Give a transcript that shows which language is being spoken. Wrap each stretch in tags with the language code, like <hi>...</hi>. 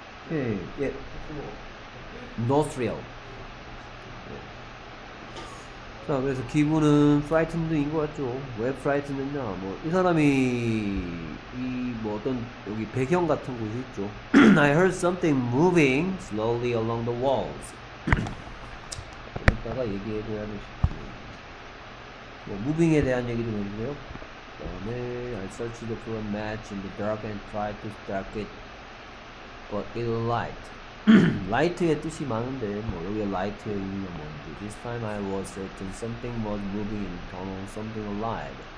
<ko>예, 예. Nostril. 자, 그래서 기분은 frightened인 것 같죠. 왜 frightened냐? 뭐, 이 사람이, 이, 뭐, 어떤, 여기 배경 같은 곳이 있죠.</ko> <en>I heard something moving slowly along the walls.</en> <ko>이따가 얘기해줘야 되겠지. 뭐, moving에 대한 얘기도 있는데요. 그 다음에,</ko> <en>I searched for a match in the dark and tried to strike it, but it light.</en> <ko>light의 뜻이 많은데, 뭐, 여기에 light의 의미가 뭔지.</ko> <en>This time I was certain something was moving in the tunnel, something alive.</en>